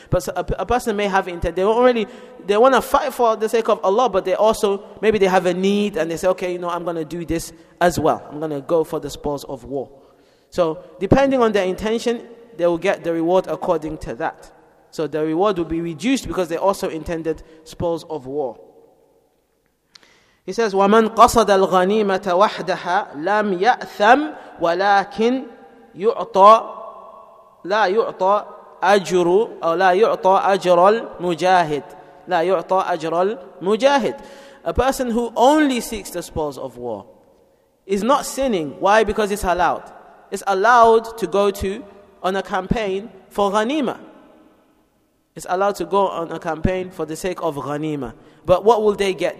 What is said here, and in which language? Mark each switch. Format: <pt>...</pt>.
<en>But a person may have intent. They don't really, they want to fight for the sake of Allah, but they also, maybe they have a need and they say, okay, you know, I'm going to do this as well. I'm going to go for the spoils of war. So depending on their intention, they will get the reward according to that. So the reward will be reduced because they also intended spoils of war. He says,</en> <ar>وَمَنْ قَصَدَ الْغَنِيمَةَ وَحْدَهَا لَمْ يَأْثَمْ وَلَكِنْ يُعْطَى لَا يُعْطَى أجر أو لا يعطى أجر المجاهد لا يعطى أجر المجاهد.</ar> <en>A person who only seeks the spoils of war is not sinning. Why? Because it's allowed. It's allowed to go to on a campaign for ghanima. It's allowed to go on a campaign for the sake of ghanima. But what will they get?</en>